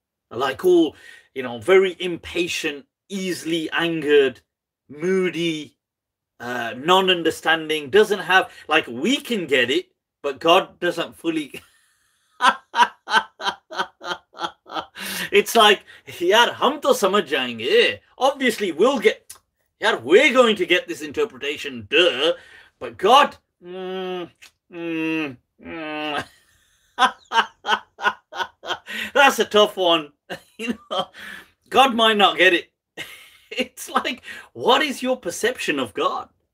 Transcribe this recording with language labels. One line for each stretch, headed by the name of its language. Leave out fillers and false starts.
English: Like, all, you know, very impatient, easily angered, moody. Non-understanding, doesn't have, like, we can get it, but God doesn't fully. It's like,
Urdu: یار، ہم تو سمجھ جائیں گے۔
English: Obviously, we'll get, yaar, we're going to get this interpretation, duh, but God, that's a tough one. God might not get it. It's like, what is your perception of God?